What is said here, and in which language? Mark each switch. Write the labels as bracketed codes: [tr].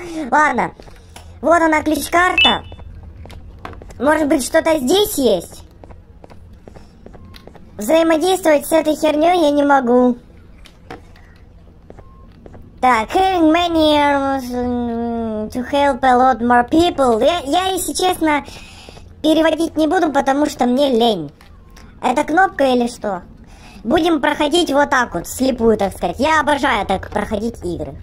[ru] Ладно. Вот она, ключ-карта. Может быть, что-то здесь есть? Взаимодействовать с этой херней я не могу. [en] Так, having many arms to help a lot more people. [ru] Я, если честно, переводить не буду, потому что мне лень. Это кнопка или что? Будем проходить вот так вот, вслепую, так сказать. Я обожаю так проходить игры.